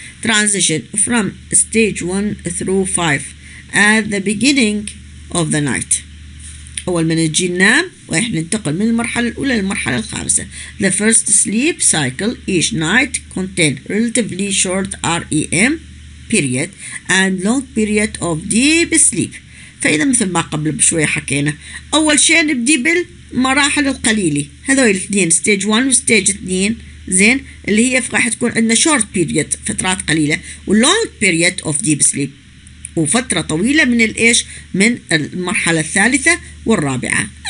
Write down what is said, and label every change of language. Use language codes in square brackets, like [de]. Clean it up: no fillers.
[en] Transition from stage 1 through 5 at the beginning of the night. [ar] أول ما نجي ننام وإحنا ننتقل من المرحلة الأولى للمرحلة الخامسة. [en] The first sleep cycle each night contain relatively short REM period and long period of deep sleep. [ar] فإذا مثل ما قبل بشوية حكينا أول شيء نبدي بالمراحل القليلة هذول الاثنين stage 1 و stage 2. زين اللي هي راح تكون عندنا [en] short period [ar] فترات قليلة ولونج [en] period of deep sleep [ar] وفترة طويلة من الإيش من المرحلة الثالثة والرابعة.